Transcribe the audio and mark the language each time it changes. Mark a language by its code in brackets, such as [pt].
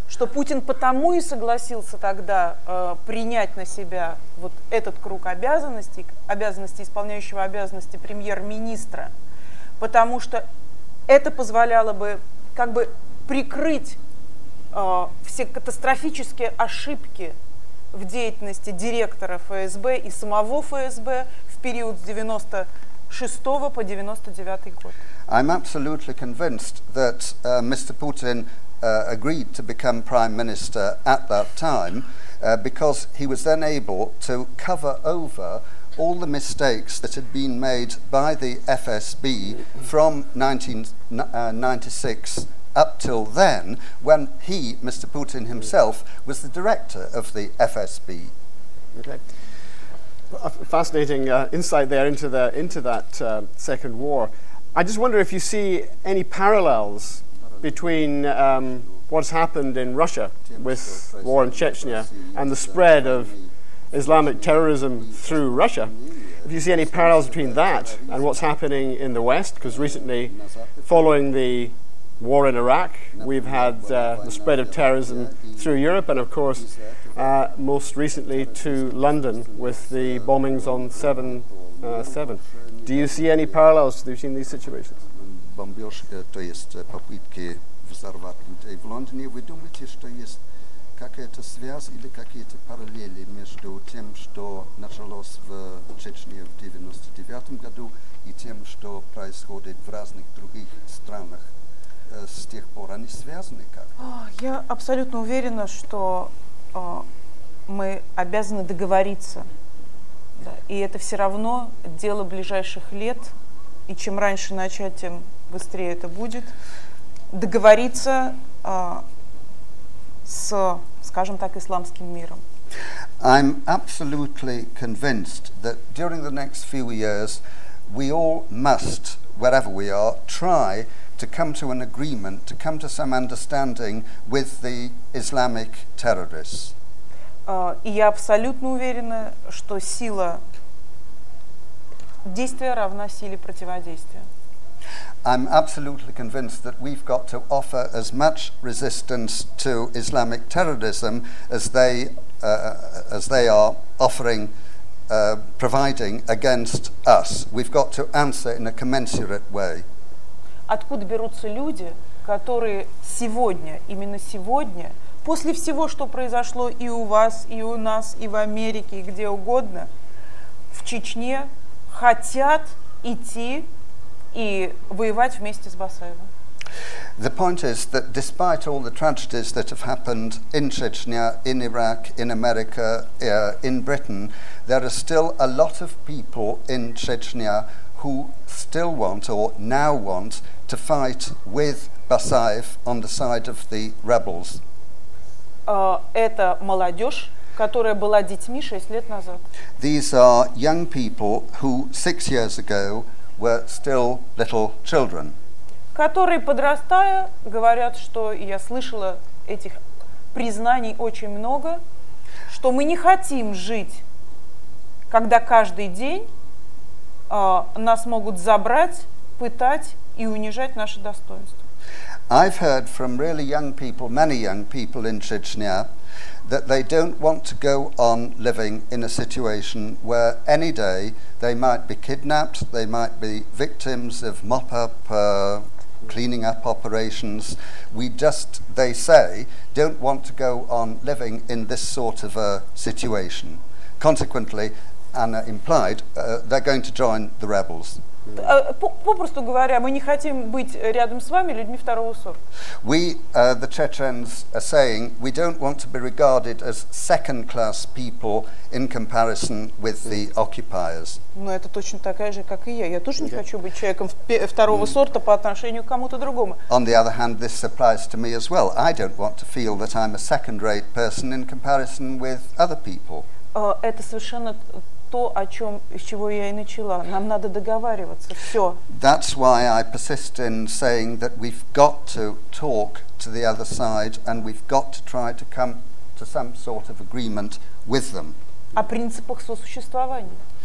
[ru] Что Путин потому и согласился тогда принять на себя вот этот круг обязанностей, обязанности исполняющего обязанности премьер-министра, потому что это позволяло бы как бы прикрыть все катастрофические ошибки в деятельности директора ФСБ и самого ФСБ в период с 96 по 99 год. [en] I'm absolutely convinced that Mr. Putin agreed to become prime minister at that time because he was then able to cover over all the mistakes that had been made by the FSB from 1996 up till then, when he, Mr. Putin himself, was the director of the FSB. Okay. Fascinating insight there into that second war. I just wonder if you see any parallels between what's happened in Russia with war in Chechnya and the spread of Islamic terrorism through Russia. If you see any parallels between that and what's happening in the West, because recently, following the war in Iraq, we've had the spread of terrorism through Europe and, of course, most recently to London with the bombings on 7/7. Do you see any parallels between these situations? [ru] Бомбежка, то есть попытки взорвать людей в Лондоне. Вы думаете, что есть какая-то связь или какие-то параллели между тем, что началось в Чечне в 99 году и тем, что происходит в разных других странах с тех пор? Они связаны как-то? Я абсолютно уверена, что мы обязаны договориться. Да, и это все равно дело ближайших лет, и чем раньше начать, тем быстрее это будет, договориться с, скажем так, исламским миром. [en] I'm absolutely convinced that during the next few years we all must, wherever we are, try to come to an agreement, to come to some understanding with the Islamic terrorists. [ru] И я абсолютно уверена, что сила действия равна силе противодействия. [en] I'm absolutely convinced that we've got to offer as much resistance to Islamic terrorism as they are offering, providing against us. We've got to answer in a commensurate way. [ru] Откуда берутся люди, которые сегодня, именно сегодня, после всего, что произошло и у вас, и у нас, и в Америке, и где угодно, в Чечне хотят идти и воевать вместе с Басаевым. [en] The point is that despite all the tragedies that have happened in Chechnya, in Iraq, in America, in Britain, there are still a lot of people in Chechnya who still want or now want to fight with Basayev on the side of the rebels. [ru] это молодежь, которая была детьми 6 лет назад. [en] These are young people who 6 years ago were still little children. [ru] Которые, подрастая, говорят, что я слышала этих признаний очень много, что мы не хотим жить, когда каждый день нас могут забрать, пытать и унижать наше достоинство. [en] I've heard from really young people, many young people in Chechnya, that they don't want to go on living in a situation where any day they might be kidnapped, they might be victims of mop-up, cleaning up operations. We just, they say, don't want to go on living in this sort of a situation. Consequently, Anna implied, they're going to join the rebels. [ru] Попросту говоря, мы не хотим быть рядом с вами людьми второго сорта. [en] We, the Chechens are saying, we don't want to be regarded as second-class people in comparison with the occupiers. [ru] Ну это точно такая же, как и я. Я тоже не хочу быть человеком второго сорта по отношению к кому-то другому. [en] On the other hand, this applies to me as well. I don't want to feel that I'm a second-rate person in comparison with other people. [ru] Это совершенно то, о чем, с чего я и начала. Нам надо договариваться. Все. [en] That's why I persist in saying that we've got to talk to the other side and we've got to try to come to some sort of agreement with them. [ru] О принципах сосуществования.